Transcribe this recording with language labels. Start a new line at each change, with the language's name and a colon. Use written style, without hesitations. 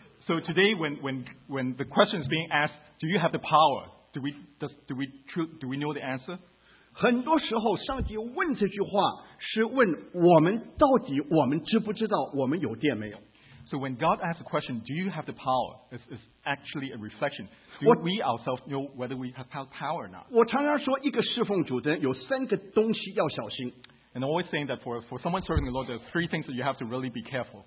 English: So today when the question is being asked, do you have the power? Do we know the answer?
Chinese: 很多时候上帝问这句话是问我们到底我们知不知道我们有电没有。
English: So when God asks the question, do you have the power? It's actually a reflection. Do we ourselves know whether we have power or not?
Chinese: 我常常说一个侍奉主的有三个东西要小心。
English: And I'm always saying that for someone serving the Lord, there are three things that you have to really be careful.